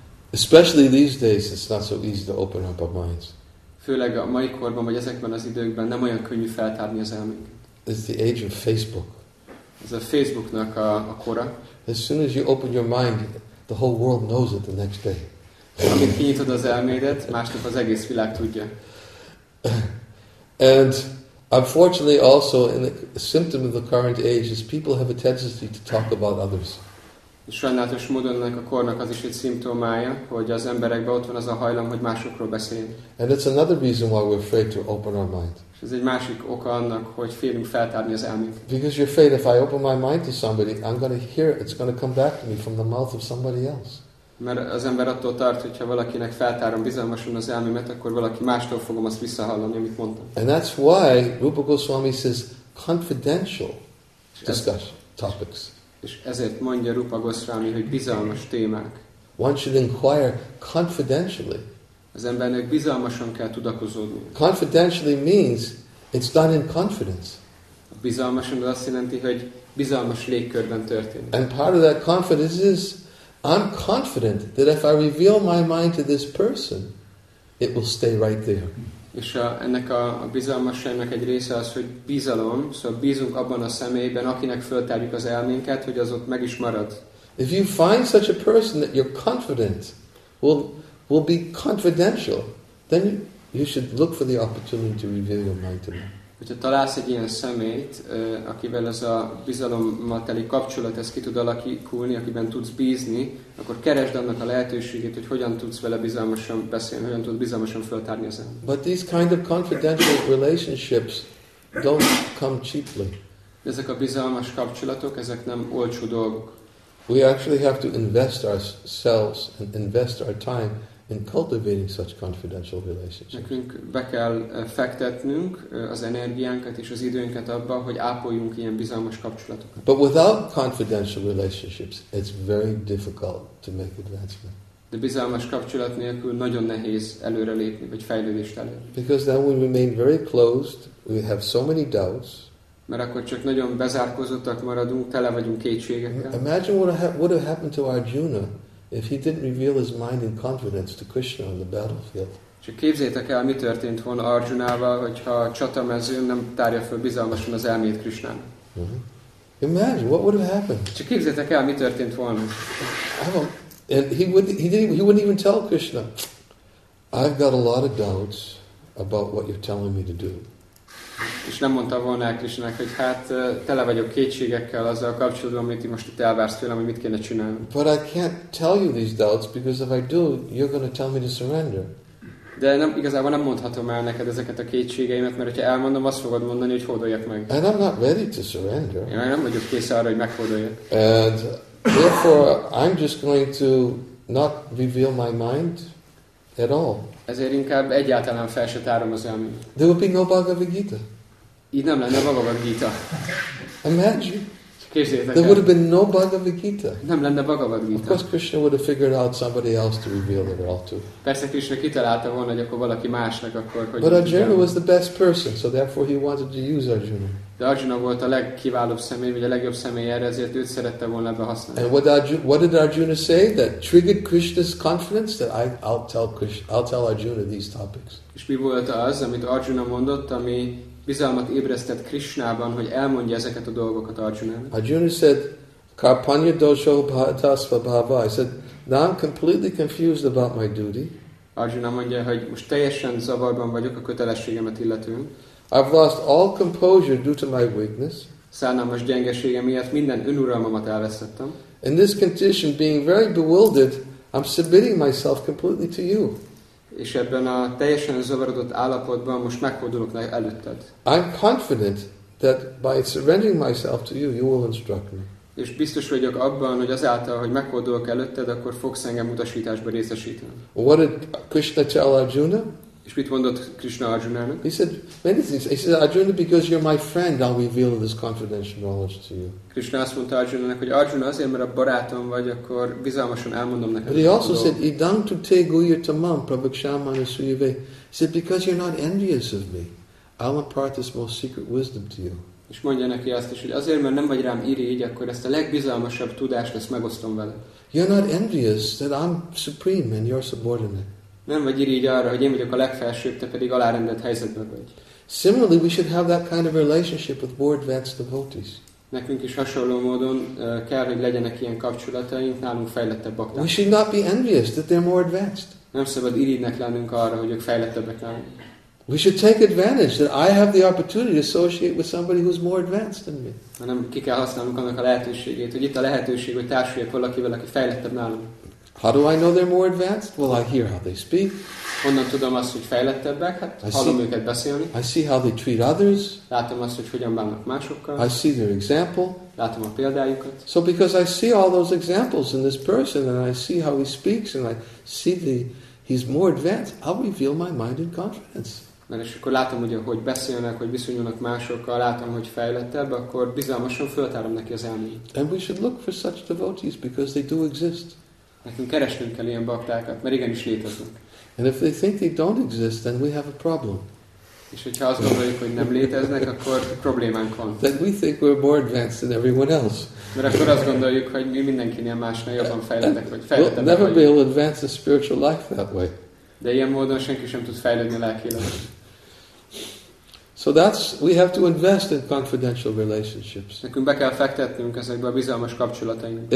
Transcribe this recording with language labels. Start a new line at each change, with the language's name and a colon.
English: Especially these days, it's not so easy to open up our minds.
Hungarian: Főleg a mai korban vagy ezekben az időkben nem olyan könnyű feltárni az elménket.
English: It's the age of Facebook.
Hungarian: Ez a Facebooknak a kora.
English: As soon as you open your mind, the whole world knows it the next day.
Hungarian: Amit kinyitod az elmédet, másnap az egész világ tudja.
English: And unfortunately also in the symptom of the current age is people have a tendency to talk about others.
Hungarian: És sajnálatos módon ennek a kornak az is egy szimptomája, hogy az emberekben ott van az a hajlam, hogy másokról beszéljen.
English: And it's another reason why we're afraid to open our mind.
Hungarian: És ez egy másik oka annak, hogy félünk feltárni az elménket.
English: Because you're afraid if I open my mind to somebody, I'm going to hear it. It's going to come back to me from the mouth of somebody else.
Hungarian: Mert az ember attól tart, hogyha valakinek feltárom bizalmasan az elmémet, akkor valaki mástól fogom azt visszahallani, amit mondtam.
English: And that's why Rupa Goswami says confidential discussion topics.
Hungarian: És ezért mondja Rupa Goswami, hogy bizalmas témák.
English: One should inquire confidentially.
Hungarian: Az embernek bizalmasan kell tudakozódni.
English: Confidentially means it's done in confidence.
Hungarian: A bizalmasan azt jelenti, hogy bizalmas légkörben történik.
English: And part of that confidence is I'm confident that if I reveal my mind to this person, it will stay right there.
Hungarian: És ennek a bizalmasságnak egy része az, hogy bizalom, szóval bízunk abban a személyben, akinek föltárjuk az elménket, hogy az ott meg is marad.
English: If you find such a person that you're confident will be confidential, then you should look for the opportunity to reveal your mind to them.
Hungarian: Hogyha találsz egy ilyen szemét, akivel ez a bizalommal teli kapcsolat, ez ki tud alakulni, akiben tudsz bízni, akkor keresd annak a lehetőségét, hogy hogyan tudsz vele bizalmasan beszélni, hogyan tudsz bizalmasan föltárni a szemét.
English: But these kind of confidential relationships don't come cheaply.
Hungarian: Ezek a bizalmas kapcsolatok, ezek nem olcsó dolgok.
English: We actually have to invest ourselves and invest our time in cultivating such confidential relationships.
Hungarian: Nekünk be kell fektetnünk az energiánkat és az időnket abba, hogy ápoljunk ilyen bizalmas kapcsolatokat.
English: But without confidential relationships, it's very difficult to make advancement.
Hungarian: De bizalmas kapcsolat nélkül nagyon nehéz előrelépni vagy fejlődést elérni.
English: Because then we remain very closed, we have so many doubts.
Hungarian: Mert akkor csak nagyon bezárkózottak maradunk, tele vagyunk kétségekkel.
English: Imagine what would have happened to Arjuna if he didn't reveal his mind in confidence to Krishna on the battlefield.
Hungarian: Csak képzeljétek el, mi történt volna Arjunával, hogyha a csatamezőn nem tárja fel bizalmasan az elmét Krishnának.
English: Uh-huh. Imagine what would have happened.
Hungarian: Csak képzeljétek el, mi történt volna.
English: And he wouldn't even tell Krishna, I've got a lot of doubts about what you're telling me to do.
Hungarian: És nem mondta volna el Krishnának, hogy hát tele vagyok kétségekkel azzal kapcsolatban, amit most itt elvársz tőlem, hogy mit kéne csinálni.
English: But I can't tell you these doubts, because if I do, you're going to tell me to surrender.
Hungarian: De nem, igazából nem mondhatom el neked ezeket a kétségeimet, mert hogyha elmondom, azt fogod mondani, hogy hódoljak meg.
English: And I'm not ready to surrender.
Hungarian: Én nem vagyok kész arra, hogy meghódoljak.
English: And therefore, I'm just going to not reveal my mind at all.
Hungarian: Ezért inkább egyáltalán fel se tárom az elmét.
English: There will be no Bhagavad Gita.
Hungarian: Így nem lenne Bhagavad Gita.
English: Imagine.
Hungarian: Képzeljétek el.
English: There would have been no Bhagavad Gita.
Hungarian: Nem lenne Bhagavad Gita.
English: Of course Krishna would have figured out somebody else to reveal it all to.
Hungarian: Persze Krishna kitalálta volna, hogy akkor valaki másnak akkor. Hogy
English: but Arjuna was the best person, so therefore he wanted to use Arjuna.
Hungarian: De Arjuna volt a legkiválóbb személy, vagy a legjobb személy erre, ezért őt szerette volna ebbe használni.
English: And what did Arjuna say that triggered Krishna's confidence that I'll tell Arjuna these topics?
Hungarian: És mi volt az, amit Arjuna mondott, ami bizalmat ébresztett Krishnában, hogy elmondja ezeket a dolgokat Arjunának.
English: Arjuna said,
Sanskrit: Karpanya dosho bhatasva bhava.
English: I said, now I'm completely confused about my duty.
Hungarian: Arjuna mondja, hogy most teljesen zavarban vagyok a kötelességemet illetően.
English: I've lost all composure due to my weakness.
Hungarian: Szánalmas gyengesége miatt minden önuralmamat elvesztettem.
English: In this condition, being very bewildered, I'm submitting myself completely to you.
Hungarian: És ebben a teljesen zavarodott állapotban most meghódolok előtted.
English: I'm confident that by surrendering myself to you, you will instruct me.
Hungarian: És biztos vagyok abban, hogy azáltal, hogy meghódolok előtted, akkor fogsz engem utasításba részesíteni.
English: What did Krishna tell Arjuna?
Hungarian: És mit mondott Krishna Arjunának?
English: He said many things. He said, Arjuna, because you're my friend, I'll reveal this confidential knowledge to you.
Hungarian: Krishna azt mondta Arjunának, hogy Arjuna, azért, mert a barátom vagy, akkor bizalmasan elmondom neked.
English: But he also said,
Sanskrit: idam tu te guhyatamam prabhakshamana suyave.
English: He said, because you're not envious of me, I'll impart this most secret wisdom to you.
Hungarian: És mondja neki azt is, hogy azért, mert nem vagy rám irigy, akkor ezt a legbizalmasabb tudást ezt megosztom veled.
English: You're not envious that I'm supreme and you're subordinate.
Hungarian: Nem vagy irigy arra, hogy én vagyok a legfelsőbb, te pedig alárendelt helyzetben vagy.
English: Similarly, we should have that kind of relationship with more advanced devotees.
Hungarian: Nekünk is hasonló módon kell, hogy legyenek ilyen kapcsolataink nálunk fejlettebb bakták.
English: We should not be envious that they're more advanced.
Hungarian: Nem szabad irigynek lennünk arra, hogy ők fejlettebbek nálunk.
English: We should take advantage that I have the opportunity to associate with somebody who's more advanced than me.
Hungarian: Hanem ki kell használnunk annak a lehetőségét, hogy itt a lehetőség, hogy társuljak valakivel, aki fejlettebb nálunk.
English: How do I know they're more advanced? Well, I hear how they speak.
Hungarian: Honnan tudom azt, hogy fejlettebbek? Hát hallom őket beszélni.
English: I see how they treat others.
Hungarian: Látom azt, hogy hogyan bánnak másokkal.
English: I see their example.
Hungarian: Látom a példájukat.
English: So because I see all those examples in this person, and I see how he speaks, and I see he's more advanced, I'll reveal my mind in confidence.
Hungarian: Mert és akkor látom, ugye, hogy beszélnek, hogy viszonyulnak másokkal, látom, hogy fejlettebb, akkor bizalmasan föltárom neki az elmét.
English: And we should look for such devotees, because they do exist.
Hungarian: Nekünk keresnünk kell ilyen baktákat, mert igenis léteznek.
English: And if they think they don't exist, then we have a problem.
Hungarian: És hogyha azt gondoljuk, hogy nem léteznek, akkor problémánk van.
English: Then we think we're more advanced than everyone else.
Hungarian: Mert akkor azt gondoljuk, hogy mi mindenkinél másnál jobban fejlettek, vagy fejlettebbek.
English: We'll never be able to advance the spiritual life that way.
Hungarian: De ilyen módon senki sem tud fejlődni lelkileg.
English: So that's, we have to invest in confidential relationships.
Hungarian: Nekünk be kell fektetnünk ezekbe a bizalmas kapcsolatainkba.